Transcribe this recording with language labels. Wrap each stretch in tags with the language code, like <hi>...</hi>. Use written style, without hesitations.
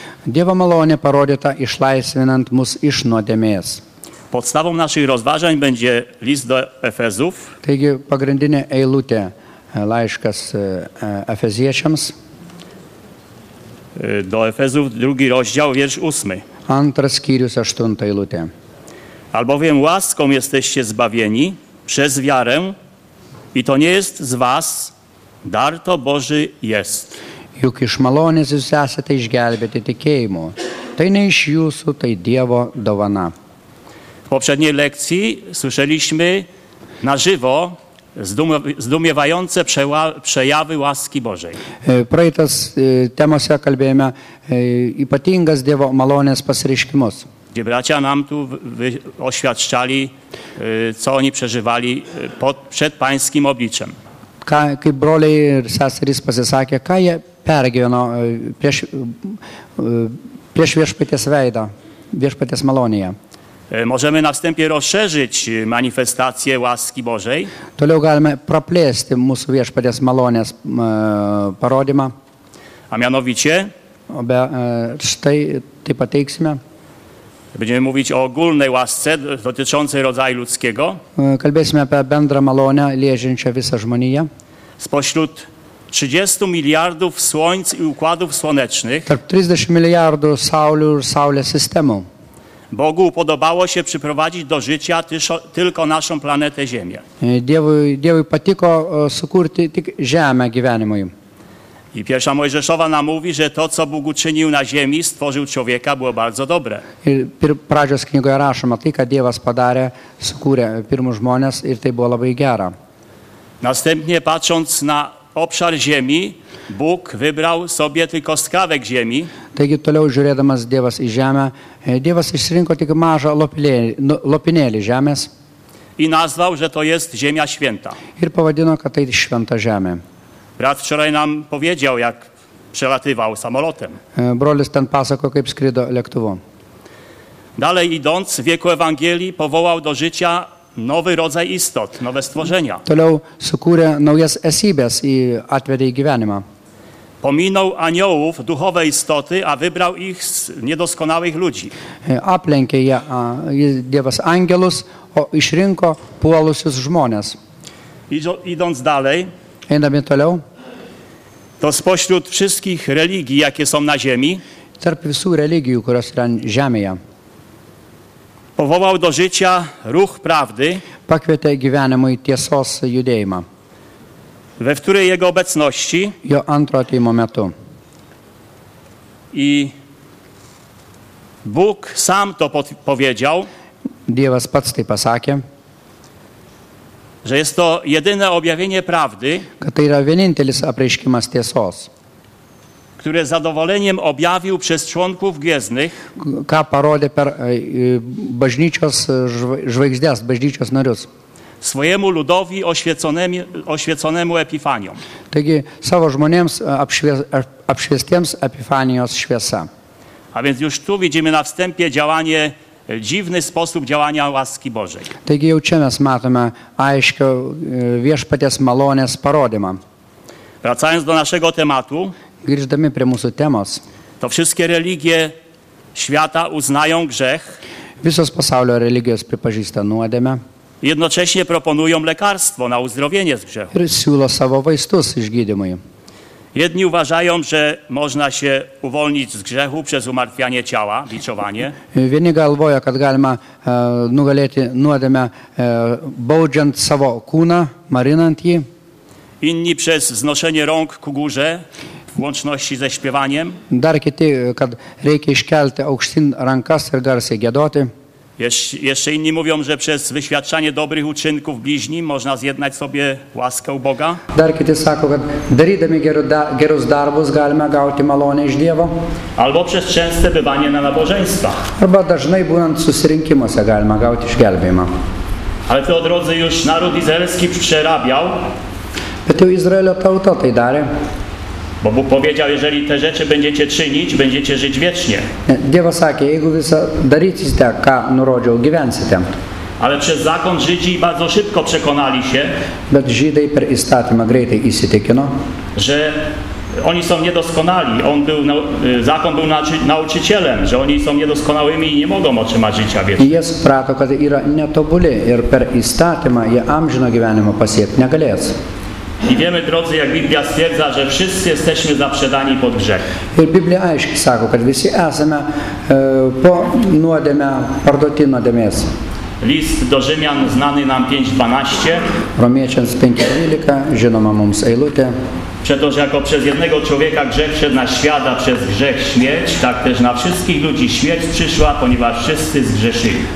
<lt>Dievo malonė parodyta išlaisvinant mus iš nuodėmės.</lt> <pl>Podstawą naszych rozważań będzie list do Efezów.</pl> <lt>Taigi pagrindinė eilutė laiškas Efeziečiams.</lt> <pl>Do Efezów drugi rozdział, wiersz 8.</pl> <lt>Antras skyrius, aštunta eilutė.</lt> <pl>Albowiem łaską jesteście zbawieni przez wiarę i to nie jest z was, dar to Boży jest.</pl> <lt>Juk iš malonės jūs esate išgelbėti tikėjimu. Tai ne iš jūsų, tai Dievo dovana.</lt> <pl>W poprzedniej lekcji słyszeliśmy na żywo zdumiewające przejawy łaski Bożej.</pl> <lt>Praeitas temose kalbėjome ypatingas Dievo malonės pasireiškimus.</lt> <pl>Gdzie bracia nam tu oświadczali, co oni przeżywali przed Pańskim obliczem.</pl> <lt>Kaip broliai ir seserys pasisakė, ką jie pergyveno prieš viešpaties veidą, viešpaties malonėje.</lt> <pl>Możemy na wstępie rozszerzyć manifestację łaski Bożej.</pl> <lt>Toliau galime praplėsti mūsų viešpaties malonės parodymą.</lt> <pl>A mianowicie?</pl> <lt>Štai tai pateiksime.</lt> <pl>Będziemy mówić o ogólnej łasce dotyczącej rodzaju ludzkiego.</pl> <lt>Kalbėsime apie bendrą malonę liežinčią visą žmoniją.</lt> <pl>Spośród 30 miliardów słońc i układów słonecznych.</pl> <lt>Tarp 30 miliardów saulių ir saulės sistemų.</lt> <pl>Bogu podobało się przyprowadzić do życia tylko naszą planetę Ziemię.</pl> <lt>Dievui patiko sukurti tik Ziemę gyvenimui.</lt> <pl>I pierwsza Mojżeszowa nam mówi, że to, co Bóg uczynił na ziemi, stworzył człowieka, było bardzo dobre.</pl> <lt>Pradžios knygoje rašoma, tai, ką Dievas padarė, sukūrė pirmus žmones ir tai buvo labai gera.</lt> <pl>Następnie patrząc na obszar ziemi, Bóg wybrał sobie tylko skrawek ziemi.</pl> <lt>Taigi toliau žiūrėdamas Dievas į žemę, Dievas išsirinko tik mažą lopinėlį žemės.</lt> <pl>I nazwał, że to jest ziemia święta.</pl> <lt>Ir pavadino, kad tai šventa žemė.</lt> <pl>Brat wczoraj nam powiedział, jak przelatywał samolotem.</pl> <lt>Brolis ten pasakojo, kaip skrido lėktuvu.</lt> <pl>Dalej idąc, w wieku Ewangelii powołał do życia nowy rodzaj istot, nowe stworzenia.</pl> <lt>Toliau sukūrė naujas esybės i atvedė į gyvenimą.</lt> <pl>Pominął aniołów, duchowe istoty, a wybrał ich z niedoskonałych ludzi.</pl> <lt>Aplenkė ją Dievas angelus, o išrinko puolusius žmones.</lt> <pl>Idąc dalej,</pl> <lt>einame toliau,</lt> <pl>to spośród wszystkich religii, jakie są na ziemi,</pl> <lt>tarp visų religijų, kurios yra žemėje,</lt> <pl>powołał do życia ruch prawdy,</pl> <lt>pakvietė gyvenimui tiesos judėjimą.</lt> <pl>We której jego obecności,</pl> <lt>jo antro atėjimo metu.</lt> <pl>I Bóg sam to powiedział,</pl> <lt>Dievas pats tai pasakė,</lt> <pl>że jest to jedyne objawienie prawdy,</pl> <lt>kad tai yra vienintelis apreiškimas tiesos,</lt> <pl>które zadowoleniem objawił przez członków gwiezdnych,</pl> <lt>ką parodė per bažnyčios žvaigždės, bažnyčios narius,</lt> <pl>swojemu ludowi oświeconemu Epifanią.</pl> <lt>Taigi savo žmonėms apšviestiems Epifanijos šviesa.</lt> <pl>A więc już tu widzimy na wstępie działanie, dziwny sposób działania łaski Bożej.</pl> <lt>Taigi jau čia mes matome aiškio viešpaties malonės parodymą.</lt> <pl>Wracając do naszego tematu,</pl> <lt>grįždami prie mūsų temos,</lt> <pl>to wszystkie religie świata uznają grzech.</pl> <lt>Visos pasaulio religijos pripažįsta nuodėmę.</lt> <pl>Jednocześnie proponują lekarstwo na uzdrowienie z grzechu.</pl> <lt>Ir siūlo savo vaistus išgydymui.</lt> <pl>Jedni uważają, że można się uwolnić z grzechu przez umartwianie ciała, biczowanie.</pl> <lt>Vieni galvoja, kad galima nugalėti nuodėmę baudžiant savo kūną, marinant jį.</lt> <pl>Inni przez znoszenie rąk ku górze, w łączności ze śpiewaniem.</pl> <lt>Dar kiti, kad reikia iškelti aukštyn rankas ir garsiai giedoti.</lt> <pl>Jeszcze inni mówią, że przez wyświadczanie dobrych uczynków bliźnim można zjednać sobie łaskę u Boga.</pl> <lt>Dar kiti sako, kad darydami gerus darbus galima gauti malonę iš Dievo.</lt> <pl>Albo przez częste bywanie na nabożeństwach.</pl> <lt>Arba dažnai būnant susirinkimuose galima gauti išgelbėjimą.</lt> <pl>Ale to, drodzy, już naród izraelski przerabiał.</pl> <lt>Bet jau Izraelio tauta tai darė.</lt> <pl>Bo Bóg powiedział, jeżeli te rzeczy będziecie czynić, będziecie żyć wiecznie.</pl> <lt>Dievas sakė, jeigu visą darysite, ką nurodžiau, gyvensite.</lt> <pl>Ale przez zakon Żydzi bardzo szybko przekonali się,</pl> <lt>bet Żydai per įstatymą greitai įsitikino,</lt> <pl>że oni są niedoskonali, zakon był nauczycielem, że oni są niedoskonałymi i nie mogą otrzymać życia wiecznego.</pl> <lt>Jie suprato, kad yra netobuli ir per įstatymą jie amžino gyvenimo pasiekti negalės.</lt> <pl>I wiemy, drodzy, jak Biblia stwierdza, że wszyscy jesteśmy zaprzedani pod grzech.</pl> <lt>Ir Biblia aiškiai sako, kad visi esame po nuodėmę, parduoti nuodėmės.</lt> <pl>List do Rzymian, znany nam 5:12.</pl> <lt>Romiečiams 5:12, žinoma mums eilutė.</lt> <pl>Przetoż jako przez jednego człowieka grzech wszedł na świat, a przez grzech śmierć, tak też na wszystkich ludzi śmierć przyszła, ponieważ wszyscy zgrzeszyli.</pl>